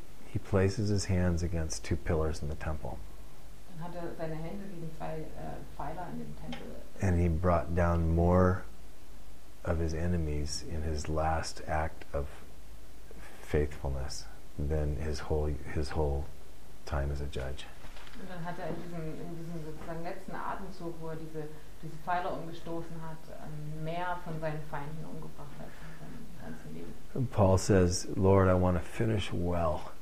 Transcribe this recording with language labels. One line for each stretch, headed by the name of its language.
English: he places his hands against two pillars in the temple.
German: Dann hat seine Hände gegen zwei Pfeiler in dem Tempel.
English: And he brought down more of his enemies in his last act of faithfulness than his whole time as a judge.
German: Und dann hat in diesem sozusagen letzten Atemzug, wo er diese Pfeiler umgestoßen hat, mehr von seinen Feinden umgebracht als in seinem ganzen Leben.
English: Paul says, Lord, I want to finish well.